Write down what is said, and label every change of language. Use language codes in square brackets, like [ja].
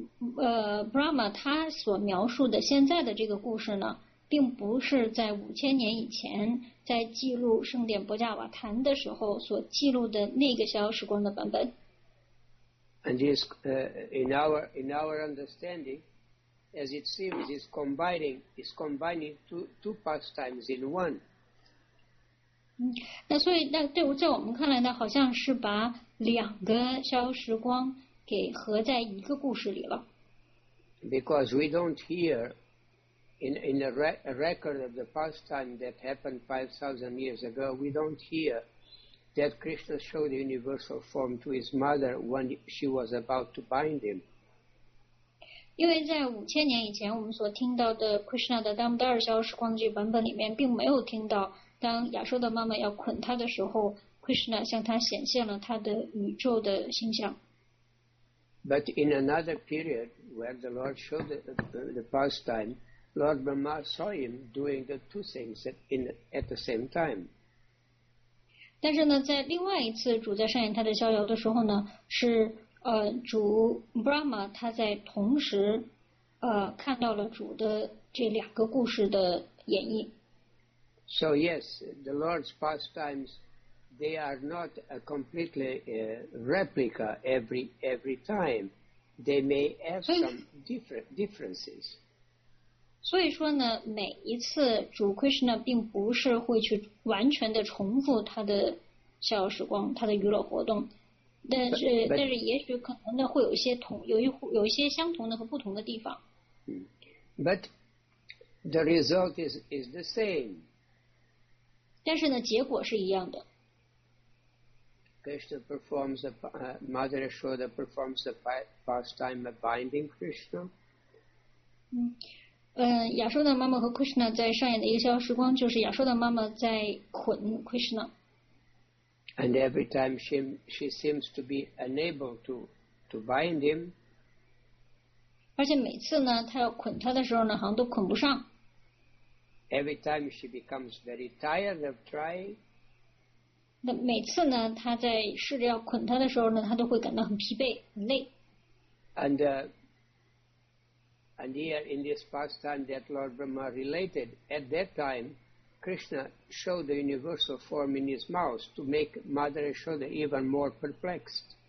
[zh] Brahma 他所描述的现在的这个故事呢，并不是在五千年以前在记录圣殿波加瓦坛的时候所记录的那个逍遥时光的版本。 [en] And this, in our understanding, as it seems, is combining two pastimes in one. [zh] 那所以那对在我们看来呢，好像是把两个逍遥时光。给合在一个故事里了。 [en] Because we don't hear in the record of the pastime that happened 5,000 years ago, we don't hear that Krishna showed the universal form to his mother when she was about to bind him. [zh] 因为在五千年以前，我们所听到的 Krishna 的达摩达尔逍遥时光这版本里面，并没有听到当亚舒的妈妈要捆他的时候 ，Krishna 向他显现了他的宇宙的形象。 [en] But in another period where the Lord showed the pastime, Lord Brahma saw him doing the two things at the same time. [zh] 但是呢，在另外一次主在上演他的逍遥的时候呢，是主 Brahma 他在同时看到了主的这两个故事的演绎。 [en] So yes, the Lord's pastimes they are not a completely replica every time. They may have some differences. [zh] 所以说呢，每一次主 Krishna 并不是会去完全的重复他的逍遥时光，他的娱乐活动，但是 但是也许可能呢会有一些同有一些相同的和不同的地方。 [en] But the result is the same. [zh] 但是呢，结果是一样的。 [en] Krishna performs Mother Yashoda performs the pastime of binding Krishna. [zh] 亚瑟的妈妈和 Krishna 在上演的一个逍遥时光，就是亚瑟的妈妈在捆 Krishna。 [en] And every time she seems to be unable to bind him. [zh] 而且每次呢，她要捆他的时候呢，好像都捆不上。 [en] Every time she becomes very tired of trying. [zh] 那每次呢，她在试着要捆他的时候呢，她都会感到很疲惫、很累。 [en] And here in this pastime that Lord Brahma related, at that time, Krishna showed the universal form in his mouth to make Mother Yashoda even more perplexed.